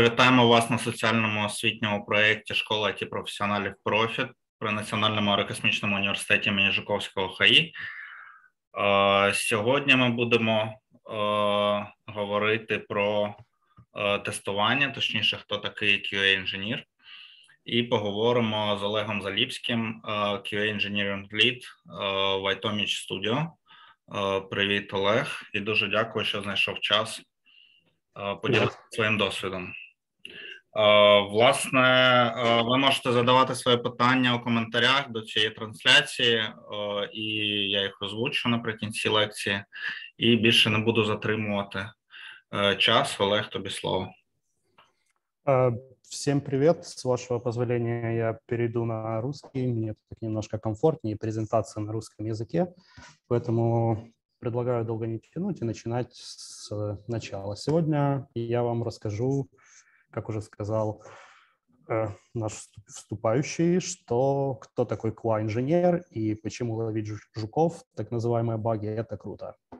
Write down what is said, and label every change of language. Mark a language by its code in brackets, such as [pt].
[uk] Вітаємо вас на соціальному освітньому проєкті «Школа IT-професіоналів Profit» при Національному аерокосмічному університеті імені Жуковського ХАІ. Сьогодні ми будемо говорити про тестування, точніше, хто такий QA-інженір. І поговоримо з Олегом Заліпським, QA-engineering lead в Itomic Studio. Привіт, Олег, і дуже дякую, що знайшов час поділитися своїм досвідом. Власне, ви можете задавати свої питання у коментарях до цієї трансляції, і я їх озвучу наприкінці лекції, і більше не буду затримувати час. Олег, тобі слово. [ru] Всем привет. С вашего позволения я перейду на русский. Мне так немножко комфортнее презентация на русском языке. Поэтому предлагаю долго не тянуть и начинать с начала. Сегодня я вам расскажу, как уже сказал наш вступающий, что кто такой QA-инженер и почему ловить жуков, так называемые баги, это круто.